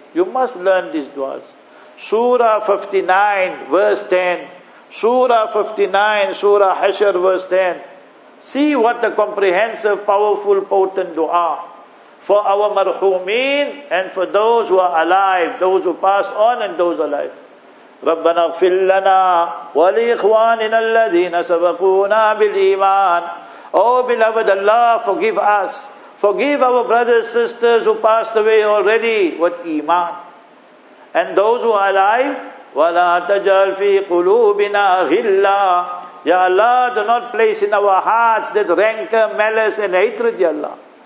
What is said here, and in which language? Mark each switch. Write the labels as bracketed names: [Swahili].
[English] You must learn these duas. Surah 59, verse 10. Surah 59, Surah Hashr, verse 10. See what a comprehensive, powerful, potent dua. For our marhumeen and for those who are alive, those who pass on and those alive. [Arabic] رَبَّنَا اغْفِرْ لَنَا وَلِإِخْوَانِنَا الَّذِينَ سَبَقُونَا بِالْإِيمَانِ [English] Oh beloved Allah, forgive us. Forgive our brothers, sisters who passed away already with iman. And those who are alive, [Arabic] وَلَا تَجَعَلْ فِي قُلُوبِنَا غِلَّا [English] Ya Allah, do not place in our hearts that rancor, malice and hatred, Ya Allah.